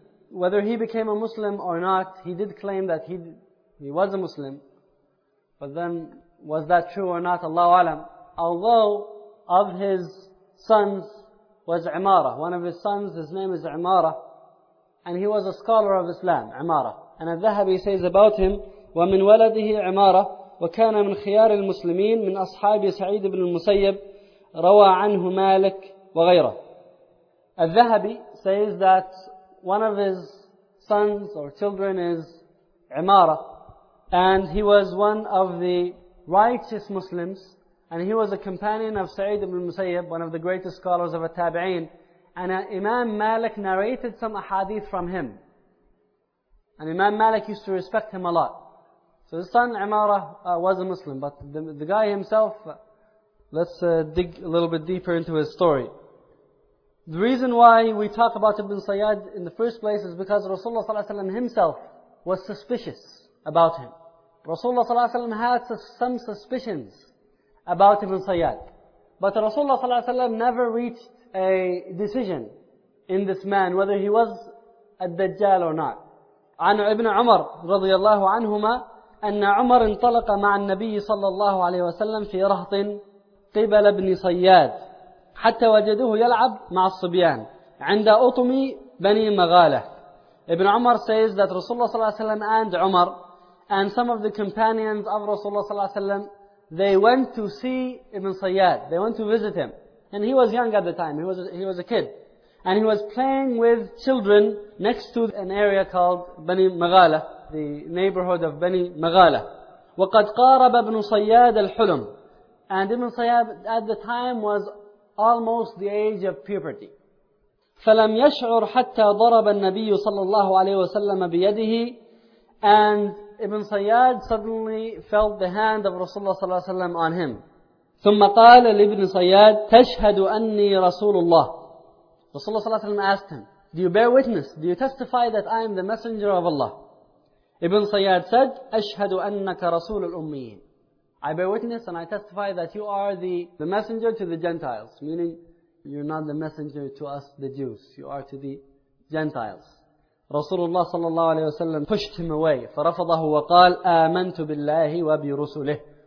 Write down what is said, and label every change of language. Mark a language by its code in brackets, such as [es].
[en] Whether he became a Muslim or not, he did claim that he was a Muslim. But then, was that true or not? Allahu alam. Although of his sons was Imara. One of his sons, his name is Imara. And he was a scholar of Islam, Imara. And al-Dhahabi says about him, [ar] وَمِنْ وَلَدِهِ عِمَارَةً وَكَانَ مِنْ خِيَارِ الْمُسْلِمِينَ مِنْ أَصْحَابِ سَعِيدِ بْنِ الْمُسَيِّبِ رَوَى عَنْهُ مَالِكَ وَغَيْرَهُ. [en] الذهبي says that one of his sons or children is Imara, and he was one of the righteous Muslims, and he was a companion of Sa'id ibn al-Musayyib, one of the greatest scholars of a tabi'in, and Imam Malik narrated some ahadith from him. And Imam Malik used to respect him a lot. So his son Imara was a Muslim, but the guy himself, let's dig a little bit deeper into his story. The reason why we talk about Ibn Sayyad in the first place is because Rasulullah sallallahu alaihi wasallam himself was suspicious about him. Rasulullah sallallahu alaihi wasallam had some suspicions about Ibn Sayyad, but Rasulullah sallallahu alaihi wasallam never reached a decision in this man whether he was a Dajjal or not. [ar] عن ابن عمر رضي الله عنهما أن عمر انطلق مع النبي صلى الله عليه وسلم في رهط قبل ابن صياد حتى وجدوه يلعب مع الصبيان عند أطم بني مغالة. [en] Ibn Umar says that Rasulullah صلى الله عليه وسلم and Umar and some of the companions of Rasulullah صلى الله عليه وسلم, they went to see Ibn Sayyad. They went to visit him. And he was young at the time. He was a kid. And he was playing with children next to an area called Bani Maghala, the neighborhood of Bani Maghala. [ar] وَقَدْ قَارَبَ ابْنُ صَيَّادَ الْحُلُمُ. [en] And Ibn Sayyad at the time was almost the age of puberty. [ar] فَلَمْ يَشْعُرْ حَتَّى ضَرَبَ النَّبِيُّ صَلَّى اللَّهُ عَلَيْهِ وَسَلَّمَ بِيَدِهِ. [en] And Ibn Sayyad suddenly felt the hand of Rasulullah صلى الله عليه وسلم on him. [ar] ثُمَّ قَالَ لِبْنِ صَيَّاد تَشْهَدُ أَنِّي رَسُولُ اللَّهِ. [en] Rasulullah sallallahu alayhi wa sallam asked him, do you bear witness? Do you testify that I am the messenger of Allah? [ar] Ibn Sayyad said, أَشْهَدُ أَنَّكَ رَسُولُ الْأُمِّيِّينَ. [en] I bear witness and I testify that you are the messenger to the Gentiles. Meaning, you're not the messenger to us, the Jews. You are to the Gentiles. Rasulullah sallallahu alayhi wa sallam pushed him away. [ar] فَرَفَضَهُ وَقَالْ آمَنْتُ بِاللَّهِ وَبِرُسُلِهِ.